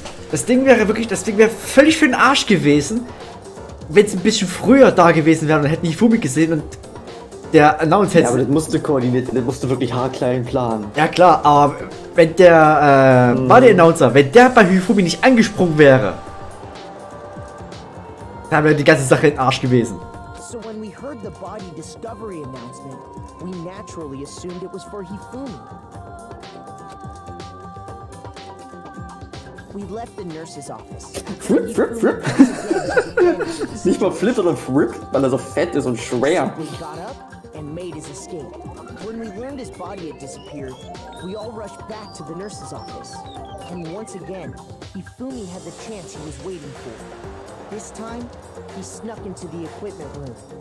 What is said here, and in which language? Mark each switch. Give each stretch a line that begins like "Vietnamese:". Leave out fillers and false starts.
German: Das Ding wäre völlig für den Arsch gewesen, wenn es ein bisschen früher da gewesen wäre und hätten die Fumi gesehen und der Announce hätte. Ja, aber das musste koordiniert, das musste wirklich haarklein planen. Ja klar, aber wenn der Body Announcer, wenn der bei Hifumi nicht angesprungen wäre, dann wäre die ganze Sache in den Arsch gewesen.
English: So when we heard the body discovery announcement, we naturally assumed it was for Hifumi. We left the nurse's office. Flip, flip, flip.
German: Nicht mal flip, sondern flip, weil er so fett ist und schwer.
English: And made his escape. When we learned his body had disappeared, we all rushed back to the nurse's office. And once again, Hifumi had the chance he was waiting for. This time, he snuck into the equipment room.